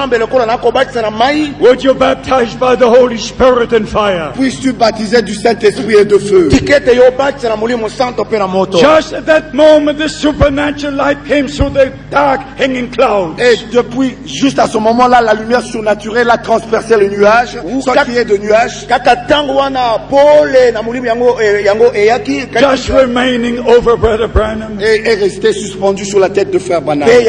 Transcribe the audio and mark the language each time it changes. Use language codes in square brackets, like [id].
[en] Would you baptize by the Holy Spirit and fire? [fr] Puisses-tu baptiser du Saint-Esprit et de feu? [en] Just at that moment, the supernatural light came through the dark hanging clouds. [fr] Et depuis, juste à ce moment-là, la lumière surnaturelle a transpercé le nuage, sortie de nuage. [en] Just remaining over Brother Branham. [fr] Et resté suspendu sur la tête de frère Branham.